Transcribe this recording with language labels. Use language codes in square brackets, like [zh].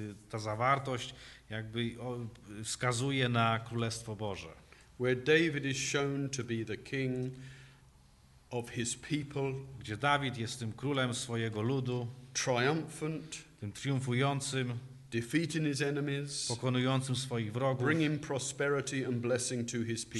[pl] ta zawartość jakby wskazuje na Królestwo Boże. [en] Where David is shown to be the king of his people, [pl] gdzie Dawid jest tym królem swojego ludu, [en] triumphant, [pl] tym triumfującym, [en] defeating his enemies, [pl] pokonującym swoich wrogów, [en] bringing prosperity and blessing to his people,